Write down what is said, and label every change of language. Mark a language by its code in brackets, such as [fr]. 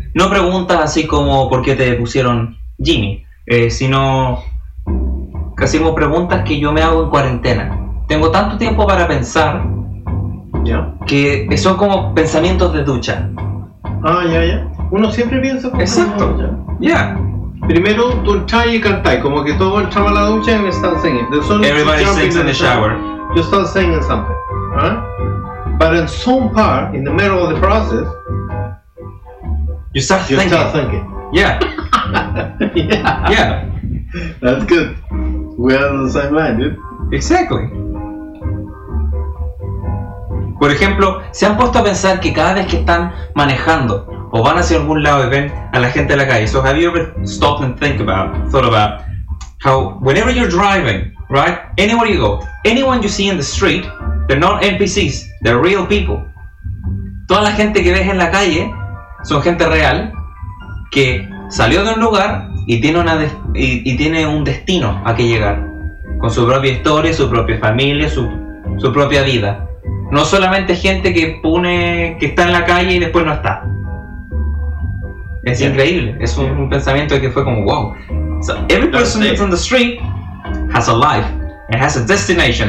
[es] No preguntas así como por qué te pusieron Jimmy, sino casi como preguntas que yo me hago en cuarentena. Tengo tanto tiempo para pensar que son como pensamientos de ducha. Uno siempre piensa como exacto. Primero tú entras y cantas, como que todo entra a la ducha y me están singing. [en] Everybody sings in the shower. You start singing something, but in some part, in the middle of the process, you start thinking. You start thinking. Yeah. That's good. We are on the same line, dude. Exactly. [es] Por ejemplo, ¿se han puesto a pensar que cada vez que están manejando o van hacia algún lado y ven a la gente de la calle? [en] So have you ever stopped and thought about how whenever you're driving, right? Anywhere you go, anyone you see in the street, they're not NPCs, they're real people. [es] Toda la gente que ves en la calle son gente real que salió de un lugar y tiene un destino a que llegar con su propia historia, su propia familia, su propia vida. No solamente gente que pone que está en la calle y después no está. Es increíble. Es un pensamiento que fue como wow. [en] So every person that's on the street has a life and has a destination.